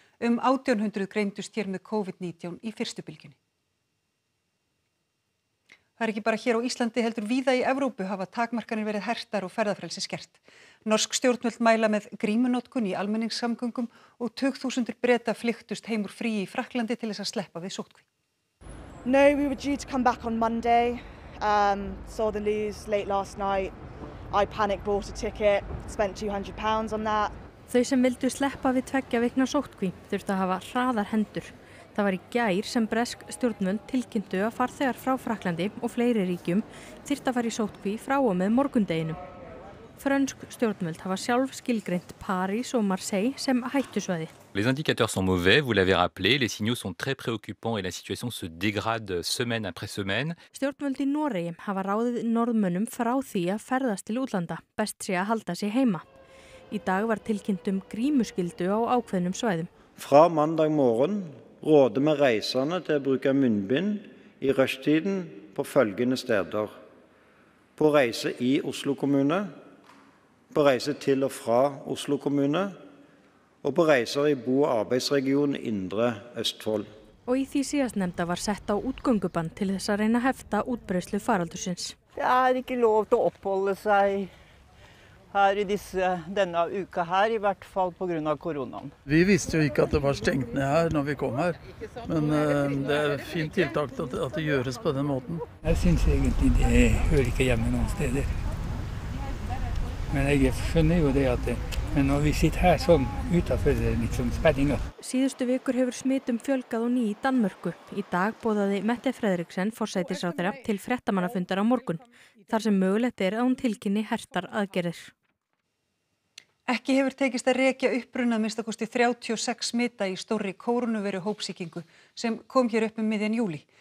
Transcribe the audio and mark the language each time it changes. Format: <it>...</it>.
<is>1800 greindust hér með COVID-19 í fyrstu bylgjunni. Það ekki bara hér á Íslandi heldur víða í Evrópu hafa takmarkanir verið hertar og ferðafrelsi skert. Norsk stjórnvöld mæla með grímunotkun í almenningssamgöngum og tugþúsundir Breta flyktust heim úr fríi í Frakklandi til þess að sleppa við sóttkví.</is> <en>No, we were due to come back on Monday. Saw the news late last night. I panic bought a ticket, spent £200 on that.</en> <is>Þau sem vildu sleppa við 2 vikna sóttkví þurftu að hafa hraðar hendur. Það var í gær sem bresk stjórnvöld tilkynntu að farþegar frá Frakklandi og fleiri ríkjum þyrfti að fara í sóttkví frá og með morgundeginum. Frönsk stjórnvöld hafa sjálf skilgreint París og Marseille sem hættusvæði.</is> <fr>Les indicateurs sont mauvais, vous l'avez rappelé, les signaux sont très préoccupants et la situation se dégrade semaine après semaine.</fr> <is>Stjórnvöld í Noregi hafa ráðið norðmönnum frá því að ferðast til útlanda, best sé að halda sig heima. Í dag var tilkynnt grímuskyldu á ákveðnum svæðum.</is> <no>Frá mandag morgun råder med reisende til å bruke munnbind i rushtiden på følgende steder. På reise i Oslo kommune, på reise til og fra Oslo kommune, og på reiser i bo- og arbeidsregion Indre Østfold.</no> <is>Og i því síðastnemnda var sett á útgöngubann til þess að reyna hefta útbreiðslu faraldursins.</is> <no>Det ikke lov til å oppholde seg her i denne uka her, i hvert fall på grunn av koronaen. Vi visste jo ikke at det var stengt ned her når vi kom her, men det fint tiltak at det gjøres på den måten. Jeg synes egentlig det hører ikke hjemme noen steder. Men jeg skjønner jo det at det, men når vi sitter her sånn utenfor, det litt som spenninger.</no> <is>Síðustu vikur hefur smitum fjölgað og ný í Danmörku. Í dag bóðaði Mette Frederiksen, forsætisráðherra, til fréttamannafundar á morgun, þar sem mögulegt að hún tilkynni hertar aðgerðir. Ekki hefur tekist að rekja uppruna minnstakosti 36 smita í stórri kórunuveru hópsýkingu sem kom hér upp miðjan júli.</is>